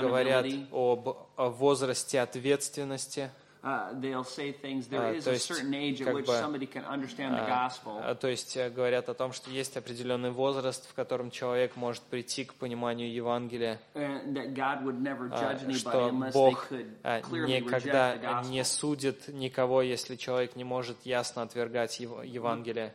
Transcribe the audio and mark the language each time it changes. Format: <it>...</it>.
<ru>Говорят об, о возрасте ответственности.</ru> <en>They'll say things. There is a certain age at which somebody can understand the gospel.</en> <ru>То есть говорят о том, что есть определенный возраст, в котором человек может прийти к пониманию Евангелия.</ru> <en>And that God would never judge anybody unless they could clearly reject the gospel.</en> <ru>Что Бог никогда не судит никого, если человек не может ясно отвергать Евангелие.</ru>